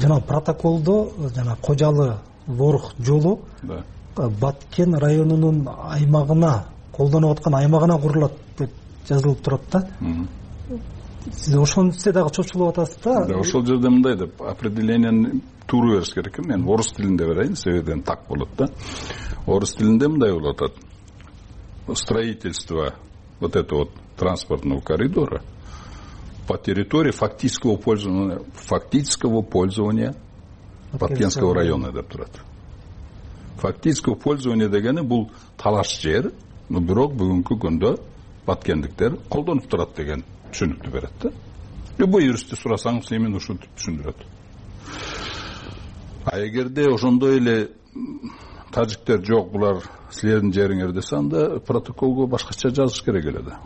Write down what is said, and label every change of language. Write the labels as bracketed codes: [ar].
[ky] Жанагы протоколдо жанагы Кожалы Ворох жолу Баткен районунун аймагына, колдонуп аткан аймагына курулат деп жазылып турат да. Сиз ошонусе дагы чочулуп атасыз да. Ошол жерде мындай деп определениянын туру бериш керек. Мен орус тилинде берейин, себеби так болот да. Орус тилинде мындай болуп атат: [ru] строительство вот этого вот транспортного коридора по территории фактического пользования Баткенского района [ky] деп турат. Фактическое пользование дегени бул талаш жер, но бирок бүгүнкү күндө баткендиктер колдонуп турат деген түшүнүктү берет да. Любой юристти сурасаңыз эмин ушинтип түшүндүрөт. А эгерде ошондой эле тажиктер жок, булар силердин жериңер десе, анда протоколго башкача жазыш керек эле да.